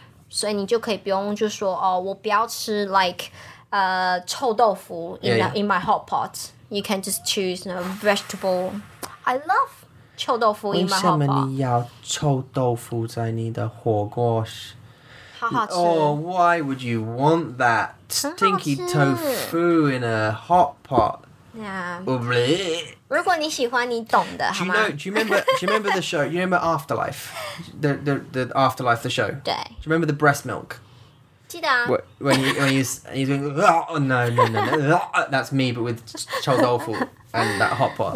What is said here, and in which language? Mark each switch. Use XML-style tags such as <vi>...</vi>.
<zh>所以你就可以不用就说，哦，我不要吃</zh> <en>like</en> <zh>臭豆腐</zh> <en>in my hot pot. You can just choose vegetable. I love臭豆腐 in my hot pot.</en> <zh>为什么你要臭豆腐在你的火锅？好好吃。</zh> <en>Oh, why would you want that stinky tofu in a hot pot? Yeah.</en> <zh>如果你喜欢，你懂的，好吗？</zh> <en>Do you remember the show? You remember Afterlife? The Afterlife, the show?</en> <zh>对。</zh> <en>Do you remember the breast milk?</en> <zh>记得啊。</zh> <en>When you're doing, no. That's me, but with 臭豆腐。And that hot pot idea.</en>